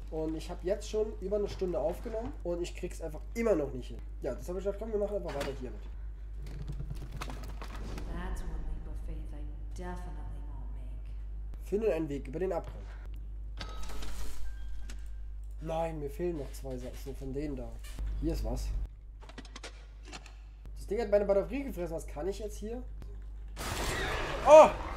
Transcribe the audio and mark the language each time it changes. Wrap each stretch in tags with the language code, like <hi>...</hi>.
<de>Und ich habe jetzt schon über eine Stunde aufgenommen und ich krieg's einfach immer noch nicht hin. Ja, das habe ich gedacht, komm, wir machen einfach weiter hiermit.</de> <en>That's one leap of faith I definitely won't make.</en> <de>Finden einen Weg über den Abgrund. Nein, mir fehlen noch zwei Sätze von denen da. Hier ist was. Das Ding hat meine Batterie gefressen, was kann ich jetzt hier? Oh!</de>